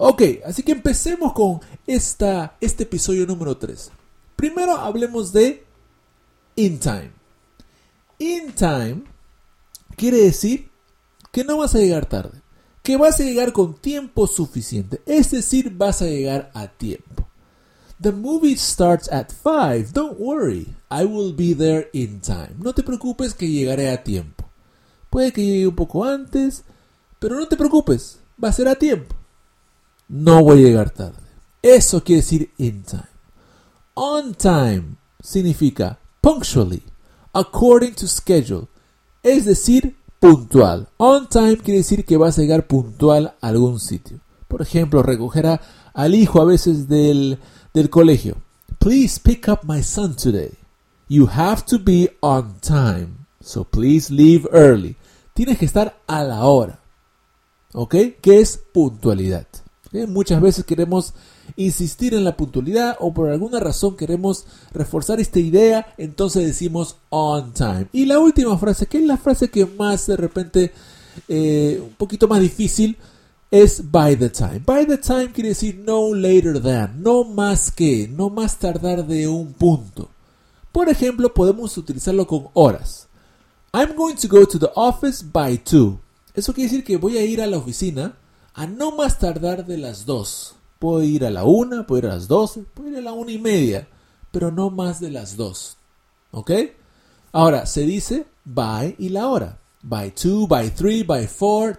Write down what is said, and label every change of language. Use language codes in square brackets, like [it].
[es] Ok, así que empecemos con este episodio número 3. Primero hablemos de in time. In time quiere decir que no vas a llegar tarde, que vas a llegar con tiempo suficiente, es decir, vas a llegar a tiempo. [en] The movie starts at 5, don't worry, I will be there in time. [es] No te preocupes que llegaré a tiempo. Puede que llegue un poco antes, pero no te preocupes, va a ser a tiempo. No voy a llegar tarde. Eso quiere decir in time. On time significa [en] punctually, according to schedule, [es] es decir, puntual. On time quiere decir que vas a llegar puntual a algún sitio. Por ejemplo, recoger al hijo a veces del colegio. [en] Please pick up my son today. You have to be on time, so please leave early. [es] Tienes que estar a la hora, ¿ok? ¿Qué es puntualidad? ¿Eh? Muchas veces queremos insistir en la puntualidad o por alguna razón queremos reforzar esta idea, entonces decimos on time. Y la última frase, que es la frase que más de repente, un poquito más difícil, es by the time. By the time quiere decir [en] no later than, [es] no más que, no más tardar de un punto. Por ejemplo, podemos utilizarlo con horas. [en] I'm going to go to the office by 2. [es] Eso quiere decir que voy a ir a la oficina a no más tardar de las 2. Puedo ir a la 1, puedo ir a las 12, puedo ir a la 1 y media, pero no más de las 2, ¿ok? Ahora, se dice by y la hora. By 2, by 3, by 4.